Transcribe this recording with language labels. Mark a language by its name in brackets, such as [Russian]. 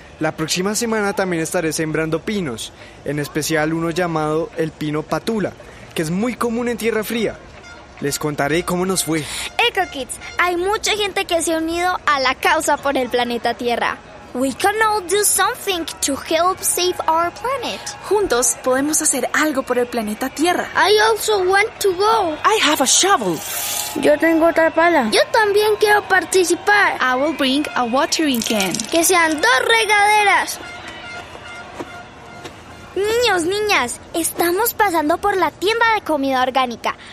[Spanish] La próxima semana también estaré sembrando pinos, en especial uno llamado el pino patula, que es muy común en tierra fría. Les contaré cómo nos fue. Eco Kids, hay mucha gente que se ha unido a la causa por el planeta Tierra. [English] We can all do something to help save our planet. [Spanish] Juntos podemos hacer algo por el planeta Tierra. [English] I also want to go. I have a shovel. [Spanish] Yo tengo otra pala. Yo también quiero participar. [English] I will bring a watering can. [Spanish] Que sean dos regaderas. Niños, niñas, estamos pasando por la tienda de comida orgánica.